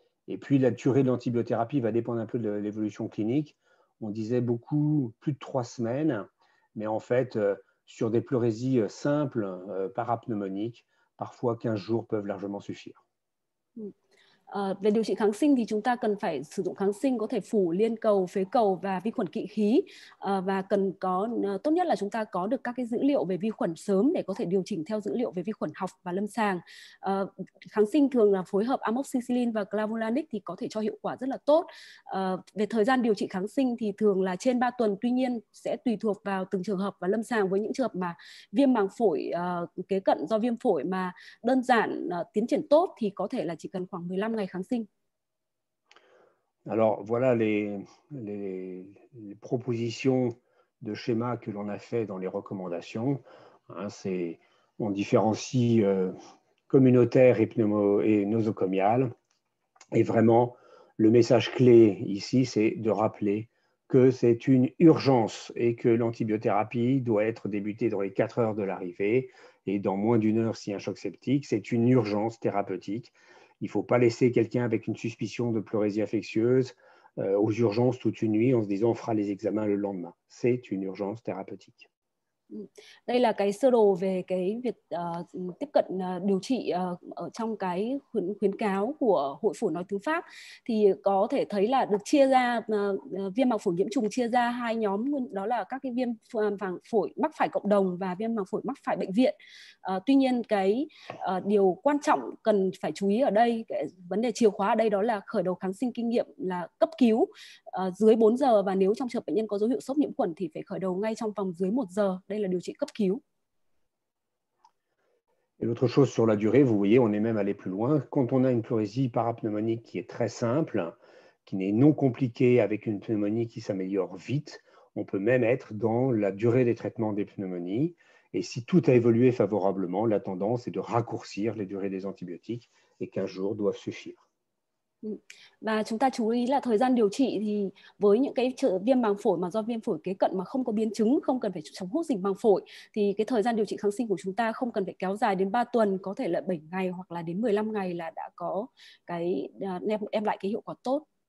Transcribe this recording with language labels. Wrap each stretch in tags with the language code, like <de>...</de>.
<fr>Et puis, la durée de l'antibiothérapie va dépendre un peu de l'évolution clinique. On disait beaucoup, plus de 3 semaines, mais en fait, sur des pleurésies simples, parapneumoniques, parfois 15 jours peuvent largement suffire.</fr> <vi>Về điều trị kháng sinh thì chúng ta cần phải sử dụng kháng sinh có thể phủ liên cầu, phế cầu và vi khuẩn kỵ khí, và cần có tốt nhất là chúng ta có được các cái dữ liệu về vi khuẩn sớm để có thể điều chỉnh theo dữ liệu về vi khuẩn học và lâm sàng. Kháng sinh thường là phối hợp amoxicillin và clavulanic thì có thể cho hiệu quả rất là tốt. Về thời gian điều trị kháng sinh thì thường là trên 3 tuần, tuy nhiên sẽ tùy thuộc vào từng trường hợp và lâm sàng. Với những trường hợp mà viêm màng phổi kế cận do viêm phổi mà đơn giản tiến triển tốt thì có thể là chỉ cần khoảng 15 ngày.</vi> <fr>Alors voilà les propositions de schéma que l'on a fait dans les recommandations. Hein, on différencie communautaire et pneumo et nosocomial. Et vraiment, le message clé ici, c'est de rappeler que c'est une urgence et que l'antibiothérapie doit être débutée dans les 4 heures de l'arrivée et dans moins d'une heure si un choc septique. C'est une urgence thérapeutique. Il ne faut pas laisser quelqu'un avec une suspicion de pleurésie infectieuse aux urgences toute une nuit en se disant on fera les examens le lendemain. C'est une urgence thérapeutique.</fr> <vi>Đây là cái sơ đồ về cái việc tiếp cận điều trị ở trong cái khuyến cáo của Hội Phổi Nói Thứ Pháp. Thì có thể thấy là được chia ra viêm màng phổi nhiễm trùng chia ra hai nhóm, đó là các cái viêm màng phổi mắc phải cộng đồng và viêm màng phổi mắc phải bệnh viện. Tuy nhiên cái điều quan trọng cần phải chú ý ở đây, cái vấn đề chìa khóa ở đây đó là khởi đầu kháng sinh kinh nghiệm là cấp cứu dưới 4 giờ, và nếu trong trường hợp bệnh nhân có dấu hiệu sốc nhiễm khuẩn thì phải khởi đầu ngay trong vòng dưới 1 giờ. Đây là điều trị cấp cứu.</vi> <fr>Et l'autre chose sur la durée, vous voyez, on est même allé plus loin. Quand on a une pleurésie parapneumonique qui est très simple, qui n'est non compliquée avec une pneumonie qui s'améliore vite, on peut même être dans la durée des traitements des pneumonies. Et si tout a évolué favorablement, la tendance est de raccourcir les durées des antibiotiques et 15 jours doivent suffire.</fr> <vi>Và chúng ta chú ý là thời gian điều trị thì với những cái viêm màng phổi mà do viêm phổi kế cận mà không có biến chứng, không cần phải chống hút dịch màng phổi, thì cái thời gian điều trị kháng sinh của chúng ta không cần phải kéo dài đến 3 tuần, có thể là 7 ngày hoặc là đến 15 ngày là đã có cái đem lại cái hiệu quả tốt.</vi>